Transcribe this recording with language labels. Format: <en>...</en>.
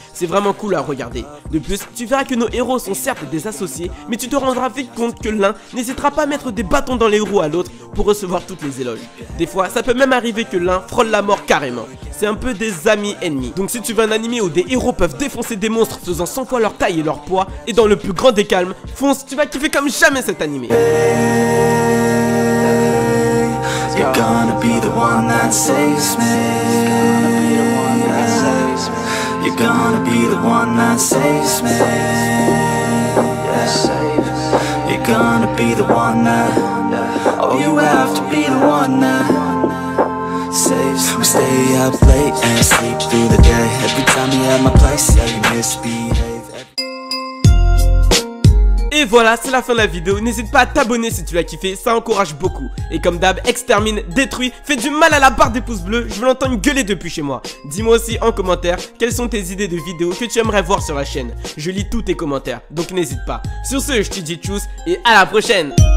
<fr>C'est vraiment cool à regarder. De plus, tu verras que nos héros sont certes des associés, mais tu te rendras vite compte que l'un n'hésitera pas à mettre des bâtons dans les roues à l'autre pour recevoir toutes les éloges. Des fois, ça peut même arriver que l'un frôle la mort carrément. C'est un peu des amis ennemis. Donc si tu veux un animé où des héros peuvent défoncer des monstres faisant 100 fois leur taille et leur poids, et dans le plus grand des calmes, fonce, tu vas kiffer comme jamais cet animé.</fr> <en>You're gonna be the one that saves me. You're gonna be the one that saves me. You're gonna be the one that. Oh, you have to be the one that. We stay up late and sleep through the day. Every time you're at my place, yeah, you misbehave.</en> <fr>Et voilà, c'est la fin de la vidéo, n'hésite pas à t'abonner si tu l'as kiffé, ça encourage beaucoup. Et comme d'hab, extermine, détruis, fais du mal à la barre des pouces bleus, je veux l'entendre gueuler depuis chez moi. Dis-moi aussi en commentaire, quelles sont tes idées de vidéos que tu aimerais voir sur la chaîne. Je lis tous tes commentaires, donc n'hésite pas. Sur ce, je te dis tchuss, et à la prochaine.</fr>